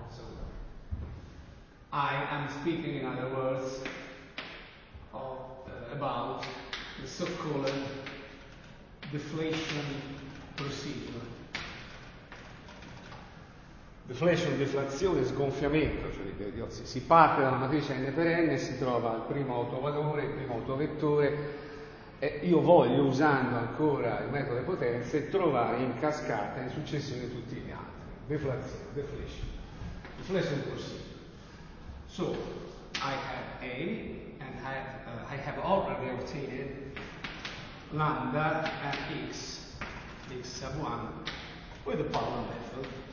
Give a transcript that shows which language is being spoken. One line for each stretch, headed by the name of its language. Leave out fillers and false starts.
English: So I am speaking, in other words, of, about the so-called deflation procedure.
Italian: Deflation, deflazione, sgonfiamento, cioè si parte dalla matrice n per n, si trova il primo autovalore, il primo autovettore, e io voglio, usando ancora il metodo delle potenze, trovare in cascata, in successione, tutti gli altri.
English: Deflazione, deflation. Deflation procedure. So, I have A, and I have already obtained lambda and x, x sub 1, with the power method.